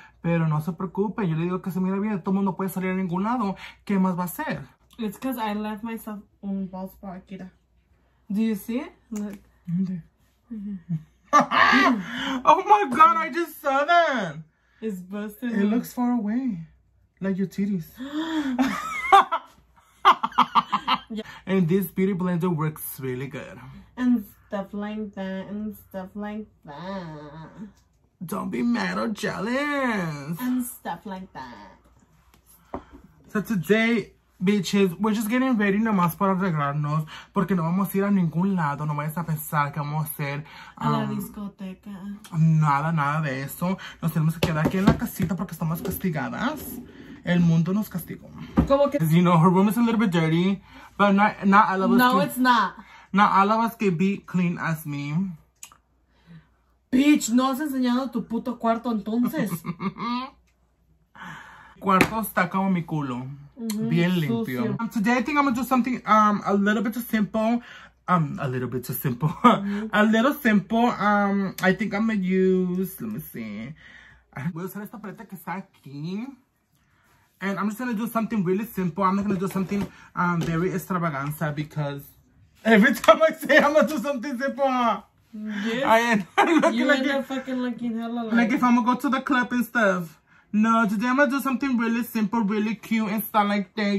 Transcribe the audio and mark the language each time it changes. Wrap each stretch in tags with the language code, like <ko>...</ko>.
<es>Pero no se preocupe, yo le digo que se mira bien, todo mundo puede salir a ningún lado. ¿Qué más va a ser?</es> <en>It's because I left myself on bald spot, Kira. Do you see it? Look. Oh my god, I just saw that. It's busted. It looks far away. Like your titties. Yeah. And this beauty blender works really good. And stuff like that. And stuff like that. Don't be mad or jealous. And stuff like that. So today, bitches, we're just getting ready</en> <es>nomás para arreglarnos porque no vamos a ir a ningún lado. No vayas a pensar que vamos a hacer a la discoteca. Nada de eso. Nos tenemos que quedar aquí en la casita porque estamos castigadas. El mundo nos castigó. ¿Cómo que?</es> <en>Because, you know, her room is a little bit dirty, but not all of us. No, can, it's not. Not all of us can be clean as me.</en> <es>Bitch, no has enseñado tu puto cuarto entonces. Cuarto está como mi culo. Bien limpio.</es> <en>Today I think I'm gonna do something a little bit too simple. A little simple. I think I'm gonna use, let me see.</en> <es>Voy a usar esta paleta que está aquí.</es> <en>And I'm just gonna do something really simple. I'm not gonna do something very extravaganza because every time I say I'm gonna do something simple. Yes. I'm looking like if I'm gonna go to the club and stuff. No, today I'm gonna do something really simple, really cute, and stuff like that.</en>